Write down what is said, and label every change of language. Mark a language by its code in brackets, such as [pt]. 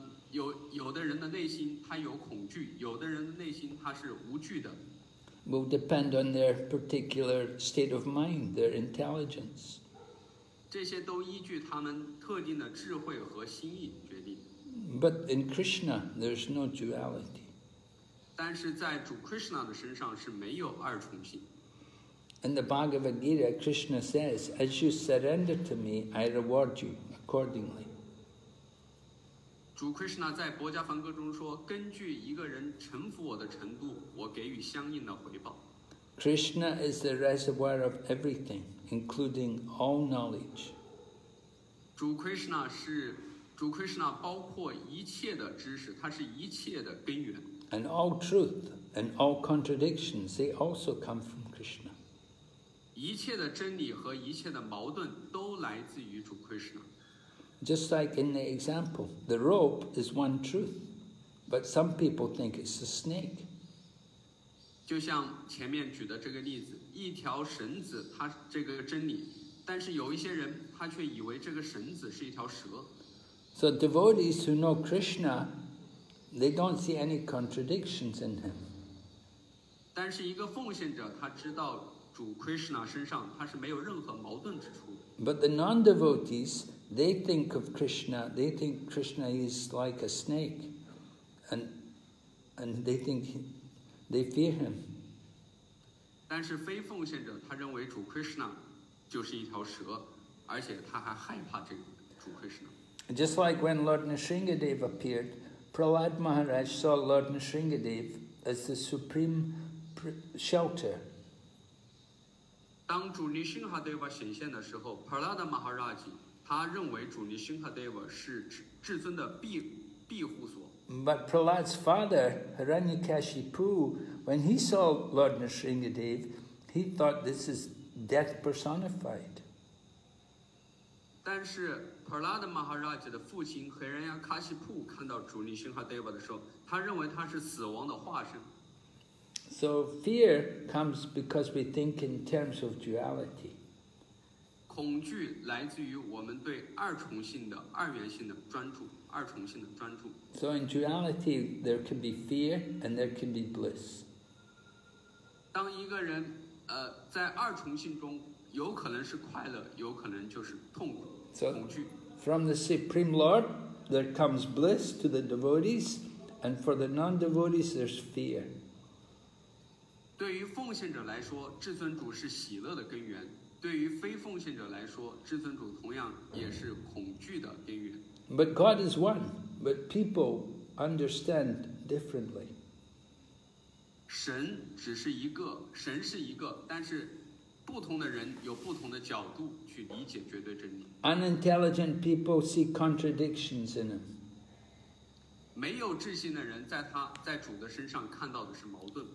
[zh] 有的人的内心他有恐惧，有的人的内心他是无惧的。 [en] Will depend on their particular state of mind, their intelligence. [zh] 这些都依据他们特定的智慧和心意决定。 [en] But in Krishna, there's no duality. [zh] 但是在主 Krishna 的身上是没有二重性。 [en] In the Bhagavad Gita, Krishna says, as you surrender to me, I reward you accordingly. [zh] 主 Krishna 在薄伽梵歌中说，根据一个人臣服我的程度，我给予相应的回报。 [en] Krishna is the reservoir of everything, including all knowledge. [zh] 主 Krishna 包括一切的知识，它是一切的根源。 [en] And all truth and all contradictions, they also come from Krishna. [zh] 一切的真理和一切的矛盾都来自于主 Krishna. [en] Just like in the example, the rope is one truth, but some people think it's a snake. [zh] 就像前面举的这个例子，一条绳子，它这个真理，但是有一些人，他却以为这个绳子是一条蛇。 [en] So devotees who know Krishna, they don't see any contradictions in him. [zh] 但是一个奉献者，他知道主 Krishna 身上他是没有任何矛盾之处的。 [en] But the non-devotees, they think of Krishna, they think Krishna is like a snake, and they think they fear him. [zh] 但是非奉献者，他认为主 Krishna 就是一条蛇，而且他还害怕这个主 Krishna。 [en] Just like when Lord Nrisingadeva appeared, Prahlad Maharaj saw Lord Nrisingadeva as the supreme shelter. [zh] 当主尼辛哈德瓦显现的时候 ，Prahlad Maharaj 他认为主尼辛哈德瓦是至尊的庇护所。 [en] But Prahlad's father Hiranyakashipu, when he saw Lord Nrisingadeva, he thought this is death personified. [zh] 但是普拉德马哈拉吉的父亲和人家卡西普看到主尼辛哈德瓦的时候，他认为他是死亡的化身。 [en] So fear comes because we think in terms of duality. [zh] 恐惧来自于我们对二重性的、二元性的专注，二重性的专注。 [en] So in duality, there can be fear and there can be bliss. [zh] 当一个人在二重性中，有可能是快乐，有可能就是痛苦。 [en] So, from the Supreme Lord, there comes bliss to the devotees, and for the non-devotees, there's fear. [zh] 对于奉献者来说，至尊主是喜乐的根源；对于非奉献者来说，至尊主同样也是恐惧的根源。 [en] But God is one, but people understand differently. [zh] 神只是一个，神是一个，但是不同的人有不同的角度去理解绝对真理。 [en] Unintelligent people see contradictions in him. [zh] 没有智性的人在主的身上看到的是矛盾。